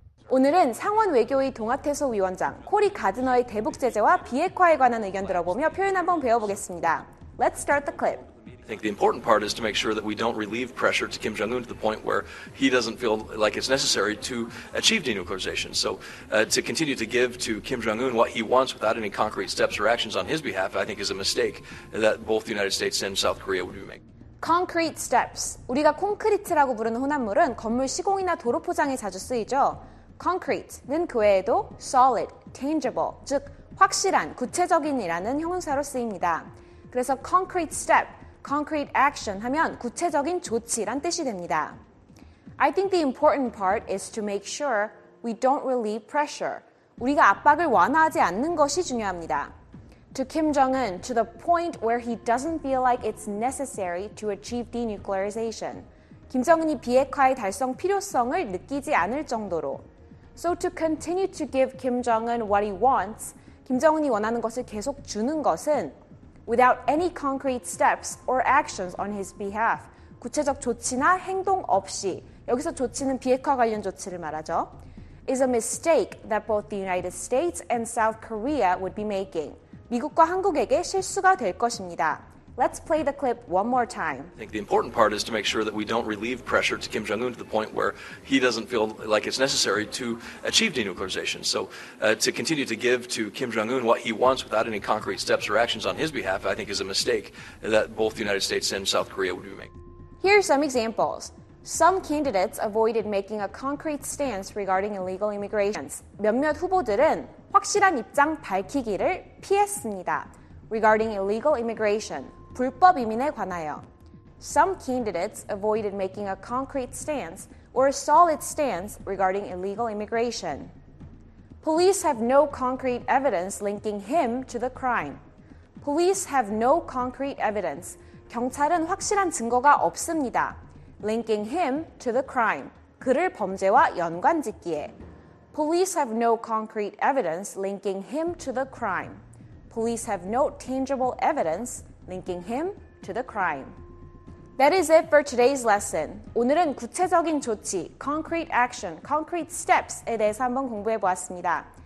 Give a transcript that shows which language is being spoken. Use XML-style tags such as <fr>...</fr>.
<ko>오늘은 상원 외교의 동아태소 위원장 코리 가드너의 대북 제재와 비핵화에 관한 의견 들어보며 표현 한번 배워보겠습니다.</ko> <en>Let's start the clip. I think the important part is to make sure that we don't relieve pressure to Kim Jong-un to the point where he doesn't feel like it's necessary to achieve denuclearization. So to continue to give to Kim Jong-un what he wants without any concrete steps or actions on his behalf, I think is a mistake that both the United States and South Korea would be making. Concrete steps.</en> <ko>우리가 콘크리트라고 부르는 혼합물은 건물 시공이나 도로 포장에 자주 쓰이죠. Concrete는 그 외에도 solid, tangible, 즉 확실한, 구체적인이라는 형용사로 쓰입니다. 그래서</ko> <en>concrete step. Concrete action</en> <ko>하면 구체적인 조치란 뜻이 됩니다.</ko> <en>I think the important part is to make sure we don't relieve pressure.</en> <ko>우리가 압박을 완화하지 않는 것이 중요합니다.</ko> <en>To Kim Jong-un, to the point where he doesn't feel like it's necessary to achieve denuclearization.</en> <ko>김정은이 비핵화의 달성 필요성을 느끼지 않을 정도로.</ko> <en>So to continue to give Kim Jong-un what he wants,</en> <ko>김정은이 원하는 것을 계속 주는 것은</ko> <en>without any concrete steps or actions on his behalf.</en> <ko>구체적 조치나 행동 없이, 여기서 조치는 비핵화 관련 조치를 말하죠.</ko> <en>is a mistake that both the United States and South Korea would be making.</en> <ko>미국과 한국에게 실수가 될 것입니다.</ko> <en>Let's play the clip one more time. I think the important part is to make sure that we don't relieve pressure to Kim Jong-un to the point where he doesn't feel like it's necessary to achieve denuclearization. So to continue to give to Kim Jong-un what he wants without any concrete steps or actions on his behalf, I think is a mistake that both the United States and South Korea would be making. Here are some examples. Some candidates avoided making a concrete stance regarding illegal immigration.</en> <ko>몇몇 후보들은 확실한 입장 밝히기를 피했습니다.</ko> <en>Regarding illegal immigration.</en> <ko>불법 이민에 관하여.</ko> <en>Some candidates avoided making a concrete stance or a solid stance regarding illegal immigration. Police have no concrete evidence linking him to the crime. Police have no concrete evidence.</en> <ko>경찰은 확실한 증거가 없습니다.</ko> <en>Linking him to the crime.</en> <ko>그를 범죄와 연관짓기에.</ko> <en>Police have no concrete evidence linking him to the crime. Police have no tangible evidence linking him to the crime. That is it for today's lesson.</en> <ko>오늘은 구체적인 조치,</ko> <en>concrete action, concrete steps</en> <ko>에 대해서 한번 공부해 보았습니다.</ko>